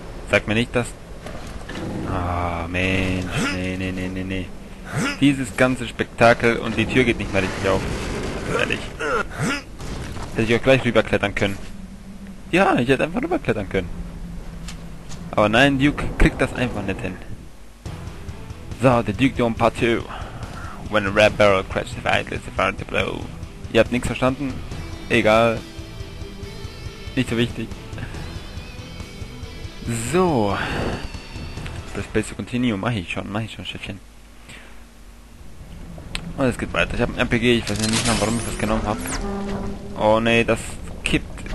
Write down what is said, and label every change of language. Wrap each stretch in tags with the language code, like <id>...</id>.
<de>Sag mir nicht, dass... Ah, Mensch, nee. Dieses ganze Spektakel und die Tür geht nicht mal richtig auf. Ehrlich. Hätte ich auch gleich rüberklettern können. Ja, ich hätte einfach rüberklettern können. Aber nein, Duke kriegt das einfach nicht hin. So, der Duke Dome Part 2.</de> <en>When a red barrel crashed the fight, it's about to blow.</en> <de>Ihr habt nichts verstanden. Egal. Nicht so wichtig. So. Das Basic Continuum mach ich schon, Schäffchen. Und es geht weiter. Ich habe ein RPG, ich weiß nicht mehr, warum ich das genommen habe. Oh nee, das kippt.</de>